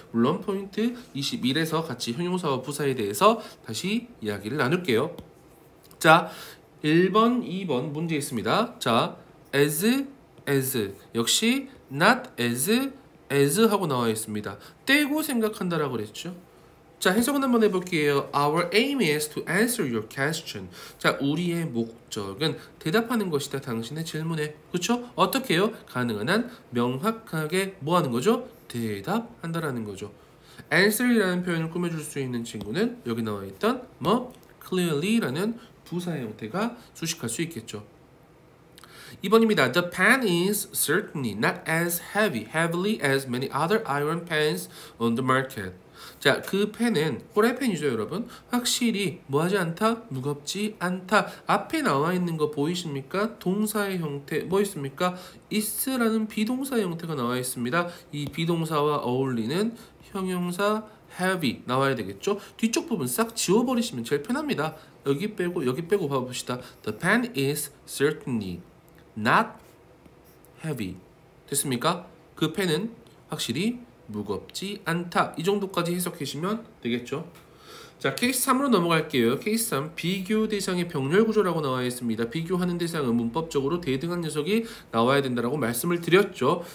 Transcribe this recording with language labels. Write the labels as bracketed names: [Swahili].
[Korean] 물론 포인트 21에서 같이 형용사와 부사에 대해서 다시 이야기를 나눌게요. 자, 1번, 2번 문제 있습니다. 자, as 역시 not as 하고 나와 있습니다. 떼고 생각한다라고 그랬죠. 자, 해석은 한번 해볼게요. [English] Our aim is to answer your question. [Korean] 자, 우리의 목적은 대답하는 것이다. 당신의 질문에. 그쵸? 어떻게 해요? 가능한 한 명확하게 뭐 하는 거죠? 대답한다라는 거죠. answer이라는 표현을 꾸며줄 수 있는 친구는 여기 나와 있던 뭐? clearly라는 부사의 형태가 수식할 수 있겠죠. 2번입니다. [English] The pen is certainly not as heavily as many other iron pens on the market. [Korean] 자, 그 펜은 꼬레펜이죠, 여러분. 확실히 뭐하지 않다? 무겁지 않다. 앞에 나와 있는 거 보이십니까? 동사의 형태 뭐 있습니까? is라는 비동사 형태가 나와 있습니다. 이 비동사와 어울리는 형용사 heavy 나와야 되겠죠? 뒤쪽 부분 싹 지워버리시면 제일 편합니다. 여기 빼고 여기 빼고 봐봅시다. [English] The pen is certainly not heavy. [Korean] 됐습니까? 그 펜은 확실히 무겁지 않다. 이 정도까지 해석하시면 되겠죠. 자, 케이스 3으로 넘어갈게요. 케이스 3, 비교 대상의 병렬 구조라고 나와 있습니다. 비교하는 대상은 문법적으로 대등한 녀석이 나와야 된다라고 말씀을 드렸죠.